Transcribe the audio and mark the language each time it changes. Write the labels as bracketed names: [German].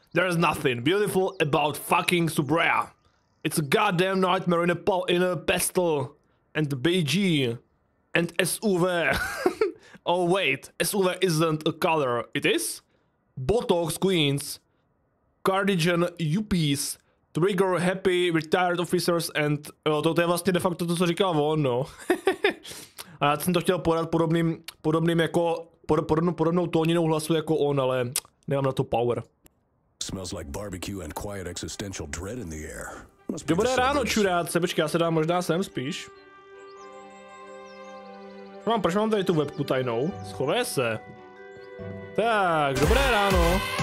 [English] There is nothing beautiful about fucking Suburbia. It's a goddamn nightmare in a pestle. And BG. And SUV. Oh wait, SUV isn't a color. It is? Botox queens. Cardigan yuppies. Trigger happy retired officers and... [Czech] Jo, to je vlastně de facto to, co říkal on, no. A já jsem to chtěl podat podobným jako... Podobnou tóninou hlasu jako on, ale... Nemám na to power. [English] Smells like barbecue and quiet existential dread in the air. [Czech] Dobré ráno, čuráce, počkej, já se dám možná sem spíš. Proč mám tady tu webku tajnou? Schové se. Tak, dobré ráno.